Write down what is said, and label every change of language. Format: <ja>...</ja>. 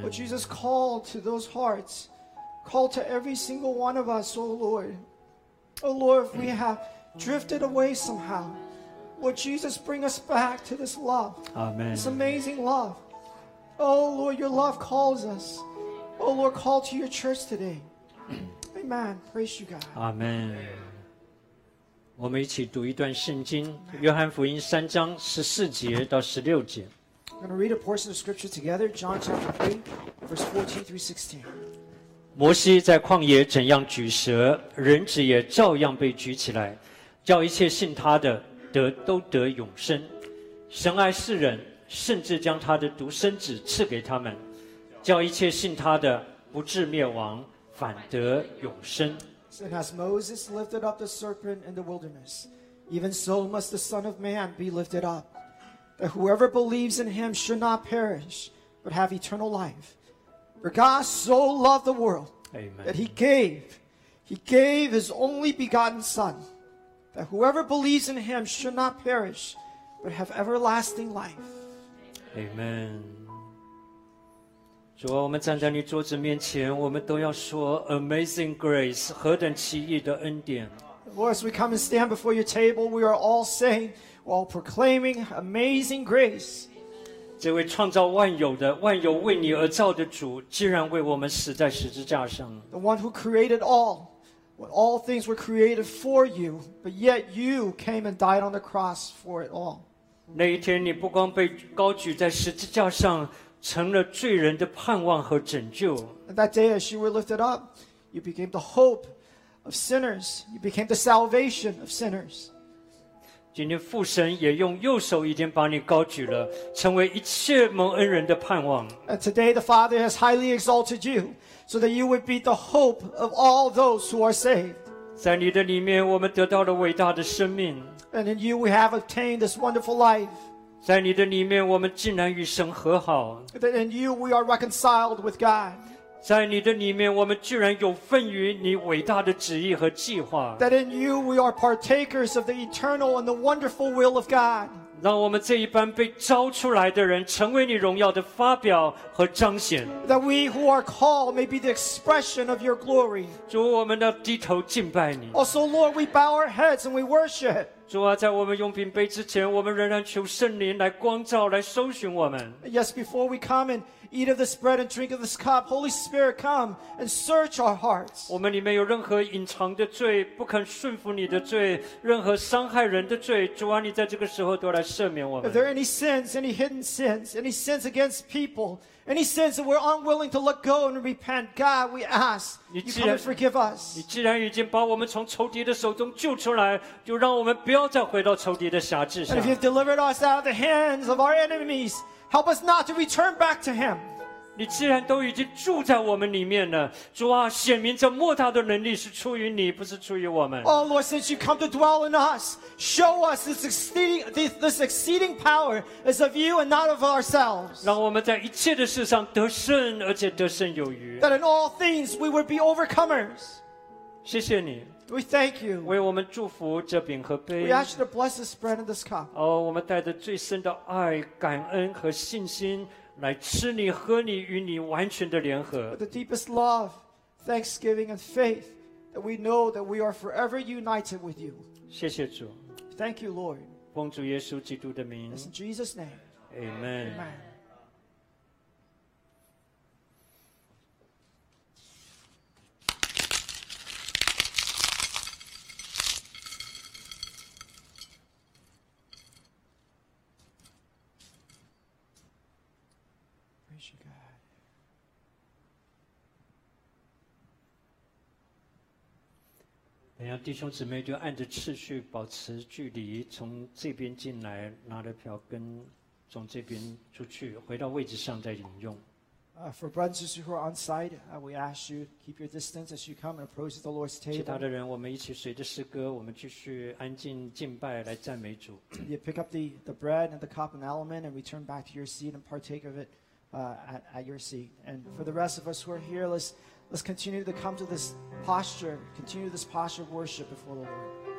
<en>Lord Jesus, call to those hearts. Call to every single one of us, oh Lord. Oh Lord, if we have... drifted away somehow. Lord Jesus, bring us back to this love. Amen. This amazing love. Oh, Lord, your love calls us. Oh, Lord, call to your church today. Amen. Praise you, God. Amen.</en> <zh>我们一起读一段圣经，约翰福音三章十四节到十六节。</zh> <en>We're going to read a portion of scripture together, John chapter 3, verse 14 through 16.</en> <zh>摩西在旷野怎样举蛇，人子也照样被举起来。叫一切信他的得都得永生。神爱世人，甚至将他的独生子赐给他们，叫一切信他的不至灭亡，反得永生。</zh> <en>And as Moses lifted up the serpent in the wilderness, even so must the Son of Man be lifted up, that whoever believes in him should not perish, but have eternal life. For God so loved the world, Amen. that he gave his only begotten Son,that whoever believes in him should not perish, but have everlasting life. Amen.</en> <zh>主啊，我们站在你桌子面前，我们都要说 Amazing Grace, 何等奇异的恩典。</zh> <en>Lord, as we come and stand before your table, we are all saying, while proclaiming Amazing Grace.</en> <zh>这位创造万有的、万有为你而造的主，竟然为我们死在十字架上。</zh> <en>The one who created all. When all things were created for you, but yet you came and died on the cross for it all.</en> <zh>那一天你不光被高举在十字架上，成了罪人的盼望和拯救。</zh> <en>And that day as you were lifted up, you became the hope of sinners. You became the salvation of sinners.</en> <zh>今天父神也用右手已经把你高举了，成为一切蒙恩人的盼望。</zh> <en>And today the Father has highly exalted you. So that you would be the hope of all those who are saved.</en> <zh>在你的里面，我们得到了伟大的生命。</zh> <en>And in you, we have obtained this wonderful life.</en> <zh>在你的里面，我们竟然与神和好。</zh> <en>That in you, we are reconciled with God.</en> <zh>在你的里面，我们居然有份于你伟大的旨意和计划。</zh> <en>That in you, we are partakers of the eternal and the wonderful will of God.</en> <zh>让我们这一班被召出来的人成为你荣耀的发表和彰显。</zh> <en>That we who are called may be the expression of your glory.</en> <zh>主，我们要低头敬拜你。</zh> <en>Also, Lord, we bow our heads and we worship.</en> <zh>主啊，在我们用饼杯之前，我们仍然求圣灵来光照，来搜寻我们。</zh> <en>Yes, before we come and eat of this bread and drink of this cup, Holy Spirit, come and search our hearts.</en> <zh>我们里面有任何隐藏的罪，不肯顺服你的罪，任何伤害人的罪，主啊，你在这个时候都来赦免我们。</zh> <en>Are there any sins, any hidden sins, any sins against people, any sins that we're unwilling to let go and repent? God, we ask you come and forgive us.</en> <zh>你既然已经把我们从仇敌的手中救出来，就让我们不要再回到仇敌的辖制下。</zh> <en>And if you've delivered us out of the hands of our enemies,Help us not to return back to him.</en> <zh>你既然都已经住在我们里面了，主啊，显明这莫大的能力是出于你，不是出于我们。</zh> <en>Oh Lord, since you come to dwell in us, show us this exceeding power is of you and not of ourselves.</en> <zh>让我们在一切的事上得胜，而且得胜有余。</zh> <en>That in all things we would be overcomers.</en> <zh>谢谢你。</zh> <en>We thank you.</en> <zh>为我们祝福这饼和杯。</zh> <en>We ask you to bless this bread and this cup.</en> <zh>哦，我们带着最深的爱、感恩和信心来吃你、喝你，与你完全的联合。</zh> <en>With the deepest love, thanksgiving, and faith, that we know that we are forever united with you.</en> <zh>谢谢主。</zh> <en>Thank you, Lord.</en> <zh>奉主耶稣基督的名。</zh> <en>In Jesus' name. Amen. Amen.</en> <zh>弟兄姊妹就按着次序保持距离，从这边进来拿着票，跟从这边出去，回到位置上再饮用。</zh> <en>For brothers and sisters who are on site, we ask you keep your distance as you come and approach the Lord's table.</en> <zh>其他的人，我们一起随着诗歌，我们继续安静敬拜来赞美主。</zh> <en>You pick up the bread and the cup and element and return back to your seat and partake of it at your seat. And for the rest of us who are here, Let's continue to come to this posture, continue this posture of worship before the Lord.</en>